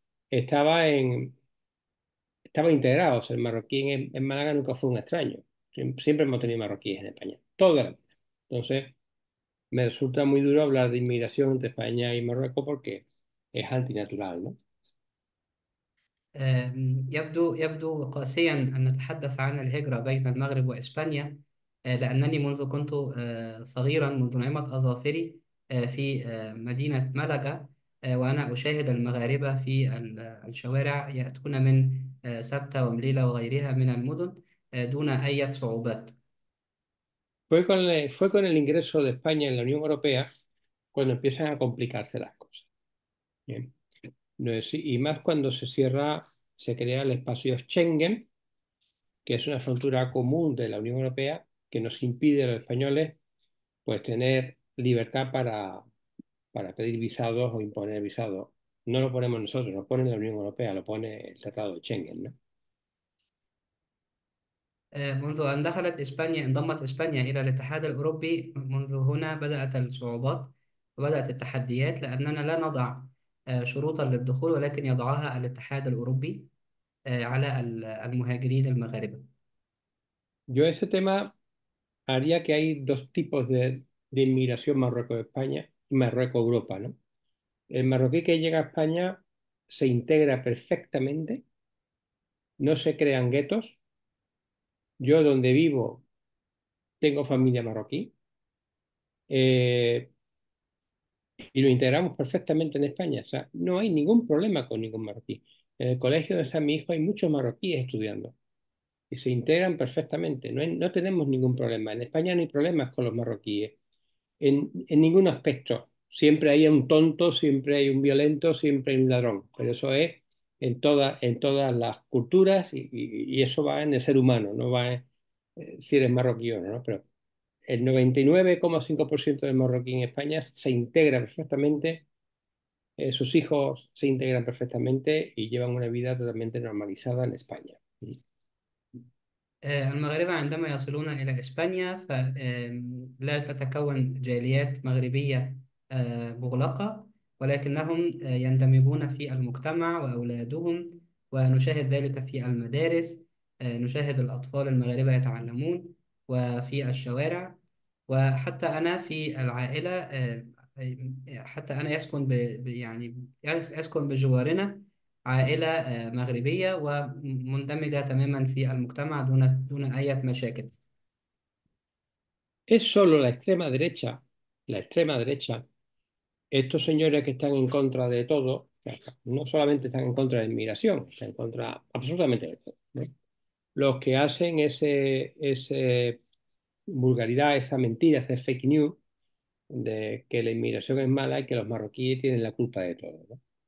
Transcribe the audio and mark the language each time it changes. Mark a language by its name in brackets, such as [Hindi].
[Spanish] Estaba integrado, o sea, el marroquí en Málaga nunca fue un extraño. Siempre hemos tenido marroquíes en España, toda la vida. Entonces, me resulta muy duro hablar de inmigración entre España y Marruecos porque es antinatural, ¿no? [Arabic] يبدو قاسيا أن نتحدث عن الهجرة بين المغرب وإسبانيا، لأنني منذ كنت صغيرا منذ نعمة أظافري في مدينة ملقا، وأنا أشاهد المغاربة في الشوارع يأتون من سبتة ومليلة وغيرها من المدن دون أي صعوبات. [Spanish] Fue con el ingreso de España en la Unión Europea cuando empiezan a complicarse las cosas. Bien. No es, y más cuando se crea el espacio Schengen, que es una frontera común de la Unión Europea que nos impide a los españoles pues tener libertad para pedir visados o imponer visados. No lo ponemos nosotros, lo pone la Unión Europea, lo pone el Tratado de Schengen, ¿no? [Arabic] منذ أن دخلت إسبانيا انضمت إسبانيا إلى الاتحاد الأوروبي، منذ هنا بدأت الصعوبات وبدأت التحديات، لأننا لا نضع شروطا للدخول ولكن يضعها الاتحاد الأوروبي على المهاجرين المغاربة. [Spanish] Yo ese tema haría que hay dos tipos de inmigración Marruecos-España y Marruecos-Europa, ¿no? El marroquí que llega a España se integra perfectamente, no se crean guetos. Yo donde vivo tengo familia marroquí y lo integramos perfectamente en España. O sea, no hay ningún problema con ningún marroquí. En el colegio donde está mi hijo hay muchos marroquíes estudiando. Y se integran perfectamente. No tenemos ningún problema. En España no hay problemas con los marroquíes. En ningún aspecto. Siempre hay un tonto, siempre hay un violento, siempre hay un ladrón. Pero eso es en todas las culturas y eso va en el ser humano. No va en, si eres marroquí o no. Pero el 99,5% del marroquí en España se integra perfectamente. Sus hijos se integran perfectamente y llevan una vida totalmente normalizada en España. [Arabic] المغاربة عندما يصلون إلى إسبانيا فلا تتكون جاليات مغربية مغلقة، ولكنهم يندمجون في المجتمع وأولادهم، ونشاهد ذلك في المدارس، نشاهد الأطفال المغاربة يتعلمون وفي الشوارع، وحتى أنا في العائلة، حتى أنا يسكن يعني يسكن بجوارنا عائلة مغربية ومندمجة تماما في المجتمع دون أي مشاكل. [Spanish] Es solo la extrema derecha, estos señores que están en contra de todo, no solamente están en contra de la inmigración, están en contra absolutamente de todo, ¿no? Los que hacen ese vulgaridad, esa mentira, ese fake news de que la inmigración es mala y que los marroquíes tienen la culpa de todo, ¿no?